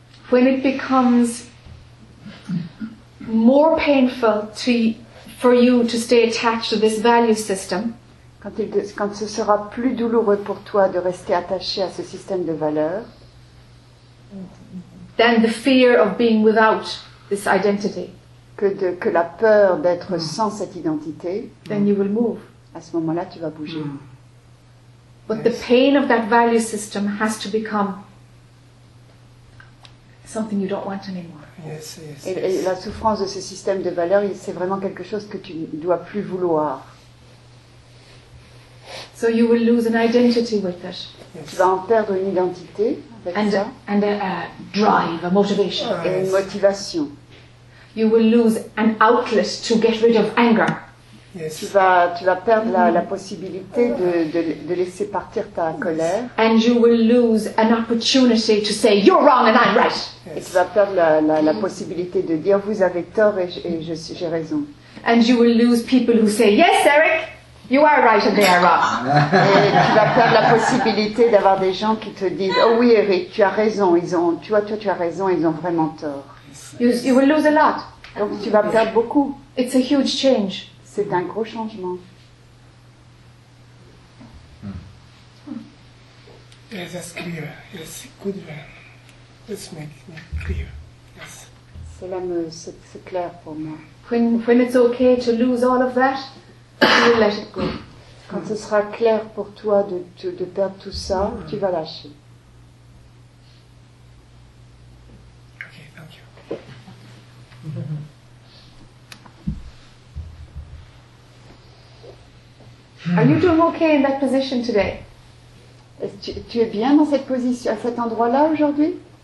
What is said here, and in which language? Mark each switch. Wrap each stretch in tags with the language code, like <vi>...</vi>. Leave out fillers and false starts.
<en>When it becomes more painful for you to stay attached to this value system,</en> <fr>quand ce sera plus douloureux pour toi de rester attaché à ce système de valeurs,</fr> <en>than the fear of being without this identity,</en> <fr>que la peur d'être sans cette identité,</fr> <en>then you will move.</en> <fr>À ce moment-là, tu vas bouger. Mm.</fr> <en>But the pain of that value system has to become something you don't want anymore. Yes.</en> <fr>Et la souffrance de ce système de valeurs, c'est vraiment quelque chose que tu ne dois plus vouloir.</fr> <en>So you will lose an identity with it.</en> <fr>Tu vas en perdre une identité avec ça.</fr> <en>And a drive, a motivation.</en> <fr>Et une motivation.</fr> <en>You will lose an outlet to get rid of anger. Yes.</en> <fr>Tu vas perdre la possibilité de laisser partir ta colère.</fr> <en>And you will lose an opportunity to say you're wrong and I'm right. Yes.</en> <fr>Et tu vas perdre la possibilité de dire vous avez tort et j'ai raison.</fr> <en>And you will lose people who say yes, Eric, you are right and they are wrong.</en> <fr>Et tu vas perdre la possibilité d'avoir des gens qui te disent oh oui, Eric, tu as raison, tu as raison, ils ont vraiment tort.</fr> <en>You will lose a lot.</en> <fr>Donc tu vas perdre beaucoup.</fr> <en>It's a huge change.</en> <fr>C'est un gros changement.</fr> <en>Yes, that's clear. Yes, good. Let's make it clear. Yes.</en> <fr>C'est clair pour moi.</fr> <en>When it's okay to lose all of that, you will let it go.</en> <fr>Quand ce sera clair pour toi de perdre tout ça, tu vas lâcher.</fr> <en>Are you doing okay in that position today?</en> <fr>Tu es bien dans cette position, à cet endroit-là aujourd'hui?</fr>